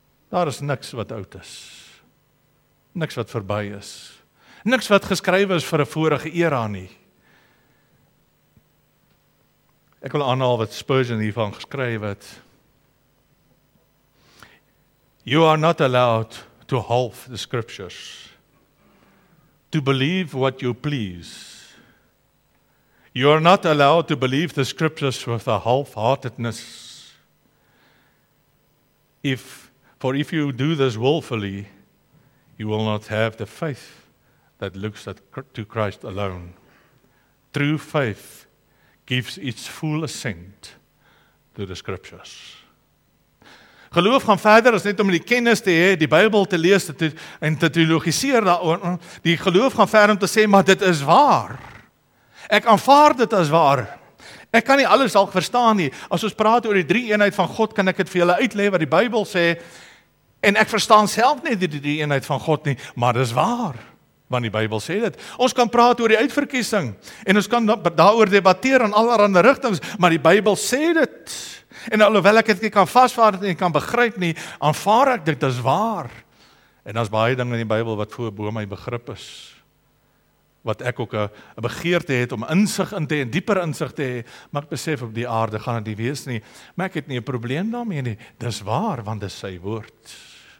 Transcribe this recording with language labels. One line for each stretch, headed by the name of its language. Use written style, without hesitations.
Afrikaans: Daar is niks wat oud is. Niks wat verby is. Niks wat geskrywe is vir 'n vorige era nie. Ek wil aanhaal wat Spurgeon hiervan geskryf het.
English: You are not allowed to half the scriptures, to believe what you please. You are not allowed to believe the scriptures with a half-heartedness. For if you do this willfully, you will not have the faith that looks to Christ alone. True faith gives its full assent to the scriptures.
Afrikaans: Geloof gaan verder as net om die kennis te hê, die Bybel te lees en te teologiseer daaroor. Die geloof gaan verder om te sê, maar dit is waar. Ek aanvaar dit as waar. Ek kan nie alles al verstaan nie. As ons praat oor die drie eenheid van God, kan ek dit vir julle uitlê wat die Bybel sê. En ek verstaan self nie die drie eenheid van God nie, maar dit is waar. Want die Bybel sê dit. Ons kan praat oor die uitverkiesing. En ons kan daaroor debatteer in allerhande rigtings, maar die Bybel sê dit. En alhoewel ek het nie kan vasvaard en kan begryp nie, aanvaar ek dit as waar. En daar's baie dinge in die Bybel wat voor bo my begrip is, wat ek ook 'n begeerte het om insig in te hê, dieper insig te hê, maar ek besef op die aarde gaan dit nie wees nie. Maar ek het nie 'n probleem daarmee nie. Dis waar, want dis sy woord.